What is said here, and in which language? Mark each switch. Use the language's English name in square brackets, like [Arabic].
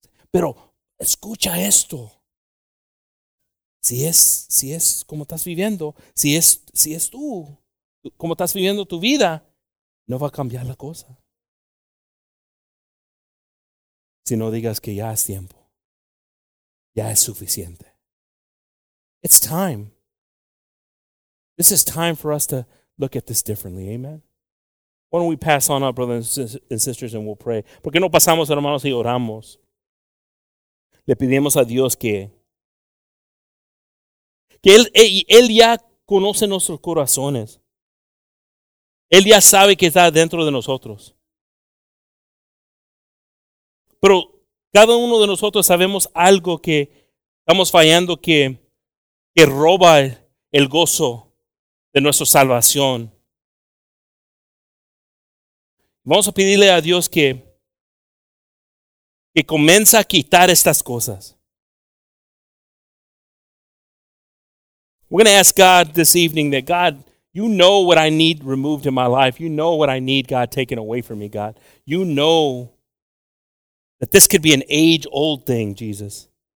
[Spanish] Pero escucha esto. Si es como estás viviendo, si es tú, como estás viviendo tu vida, no va a cambiar la cosa. Si no digas que ya es tiempo, ya es suficiente. [English] It's time. This is time for us to look at this differently. Amen. Why don't we pass on up, brothers and sisters, and we'll pray. [Spanish] ¿Por qué no pasamos, hermanos, y oramos? Le pedimos a Dios que Él ya conoce nuestros corazones. Él ya sabe que está dentro de nosotros. Pero cada uno de nosotros sabemos algo que estamos fallando que roba el gozo de nuestra salvación. Vamos a pedirle a Dios que comience a quitar estas cosas. [English] We're going to ask God this evening that, God, you know what I need removed in my life. You know what I need, God, taken away from me, God. You know that this could be an age-old thing, Jesus.